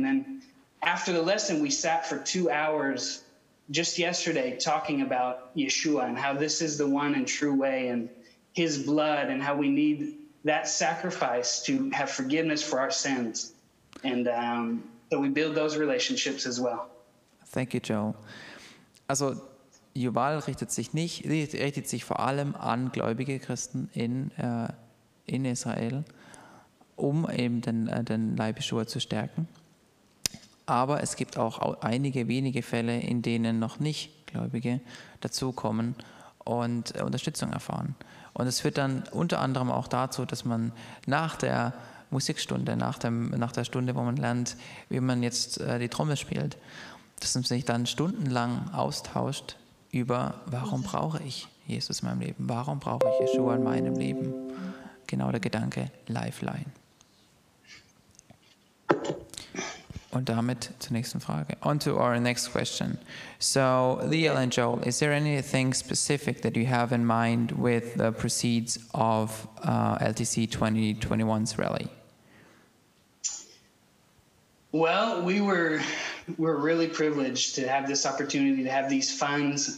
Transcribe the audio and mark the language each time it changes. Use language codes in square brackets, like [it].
[en] And then after the lesson, we sat for 2 hours just yesterday talking about Yeshua and how this is the one and true way and his blood and how we need that sacrifice to have forgiveness for our sins. And so we build those relationships as well. Thank you, Joe. [de] Also, Yuval richtet sich vor allem an gläubige Christen in Israel, um eben den Leib Yeshua zu stärken. Aber es gibt auch einige wenige Fälle, in denen noch nicht Gläubige dazukommen und Unterstützung erfahren. Und es führt dann unter anderem auch dazu, dass man nach der Musikstunde, nach der Stunde, wo man lernt, wie man jetzt die Trommel spielt, dass man sich dann stundenlang austauscht über, warum brauche ich Jesus in meinem Leben? Warum brauche ich Yeshua in meinem Leben? Genau der Gedanke, Lifeline. Und damit zur nächsten Frage. [en] On to our next question. So, Liel and Joel, is there anything specific that you have in mind with the proceeds of LTC 2021's rally? Well, we're really privileged to have this opportunity to have these funds.